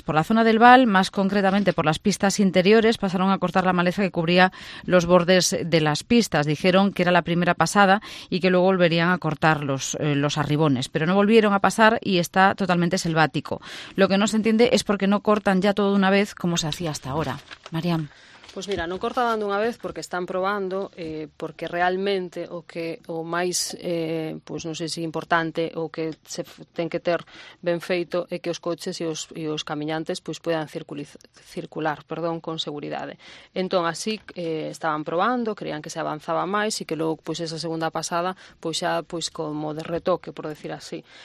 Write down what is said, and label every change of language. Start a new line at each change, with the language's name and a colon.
Spanish: Por la zona del Val, más concretamente por las pistas interiores, pasaron a cortar la maleza que cubría los bordes de las pistas. Dijeron que era la primera pasada y que luego volverían a cortar los arribones. Pero no volvieron a pasar y está totalmente selvático. Lo que no se entiende es por qué no cortan ya todo de una vez como se hacía hasta ahora. Mariam.
Galician: Pues mira, non corta dando unha vez porque están probando, porque realmente o que o máis, pues non sei se importante, o que se ten que ter ben feito é que os coches e os camiñantes pues puedan circular, con seguridade. Entón, así estaban probando, creían que se avanzaba máis e que logo pues esa segunda pasada pues xa pues como de retoque, por decir así.